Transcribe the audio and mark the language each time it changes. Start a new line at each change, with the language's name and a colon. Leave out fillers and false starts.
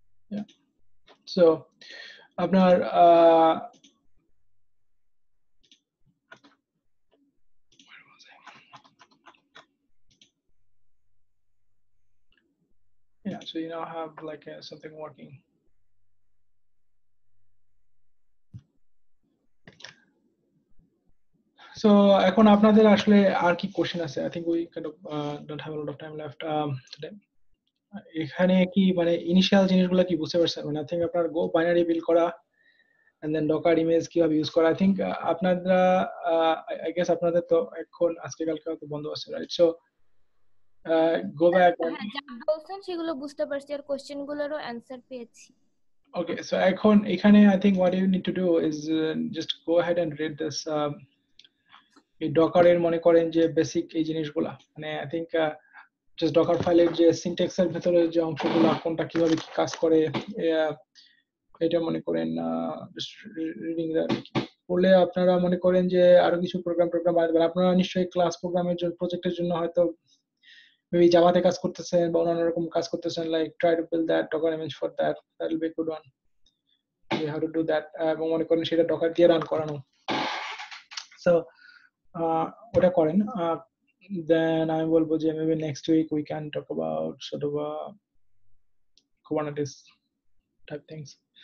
English: Yeah, so apnar yeah, so you now have like something working. So
Bangla: ekhon apnader ashole ar ki question ache,
English: I think we kind of don't have a lot of time left today.
Bangla: এখানে কি মানে initial জিনিসগুলো কি বুঝতে পারছেন? মানে I think আপনার গো binary build করা এন্ড দেন ডকার ইমেজ কিভাবে ইউজ করা, আই থিংক আপনারা আই গেস আপনাদের তো এখন আজকে কালকে তো বন্ধ আছে রাইট?
English: so go back
Bangla: বলছেন সেগুলো বুঝতে পারছি আর কোশ্চেন গুলোরও অ্যানসার পেয়েছি। ওকে, সো এখন এখানে
English: I think what you need to do is just go head and read this
Bangla: এই ডকার এর মনে করেন যে বেসিক এই জিনিসগুলো মানে I think just docker file এর যে syntax এর ভিতরে যে অংশগুলো কোনটা কিভাবে কি কাজ করে এটা মনে করেন রিডিং দা বলে আপনারা মনে করেন যে আরো কিছু প্রোগ্রাম প্রোগ্রাম আছে, আপনারা নিশ্চয়ই ক্লাস প্রোগ্রামের জন্য প্রজেক্টের জন্য হয়তো মেবি জাভাতে কাজ করতেছেন বা অন্য রকম কাজ করতেছেন,
English: like try to build that Docker image for that, that will be good one you have to do that,
Bangla: এবং মনে করেন সেটা ডকার দিয়ে রান করানো, সো ওটা করেন।
English: Then I will say maybe next week we can talk about sort of Kubernetes type things.